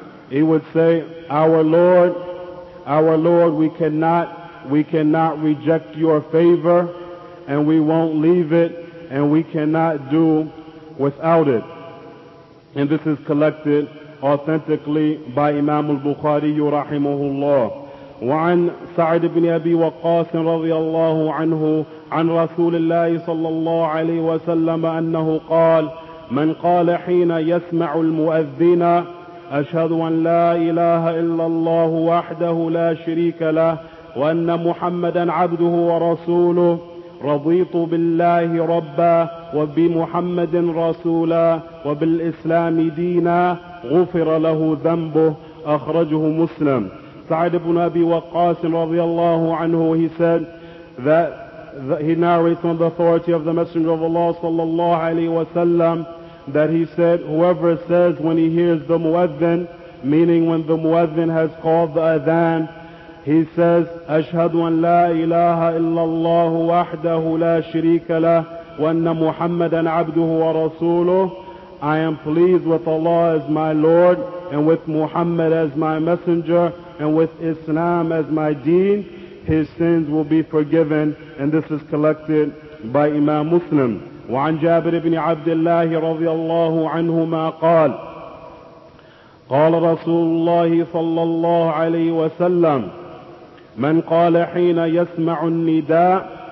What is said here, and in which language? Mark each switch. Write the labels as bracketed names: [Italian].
[English] He would say, Our Lord, we cannot reject your favor, and we won't leave it, and we cannot do without it. And this is collected authentically by Imam al-Bukhari rahimahullah. [Arabic] وعن سعد بن أبي وقاص رضي الله عنه عن رسول الله صلى الله عليه وسلم أنه قال من قال حين يسمع المؤذن أشهد أن لا إله إلا الله وحده لا شريك له وأن محمدا عبده ورسوله رضيت بالله ربا وبمحمد رسولا وبالإسلام دينا غفر له ذنبه. أخرجه مسلم. [English] سعد بن أبي وقاص رضي الله عنه, he said that he narrates on the authority of the Messenger of Allah sallallahu alayhi wa sallam that he said, whoever says when he hears the muadhin, meaning when the muadhin has called the adhan, he says, [Arabic] أشهد أن لا إله إلا الله وحده لا شريك له وأن محمدا عبده ورسوله, [English] I am pleased with Allah as my Lord and with Muhammad as my messenger and with Islam as my deen, his sins will be forgiven. And this is collected by Imam Muslim. وعن جابر بن عبد الله رضي الله عنهما قال قال رسول الله صلى الله عليه وسلم من قال حين يسمع النداء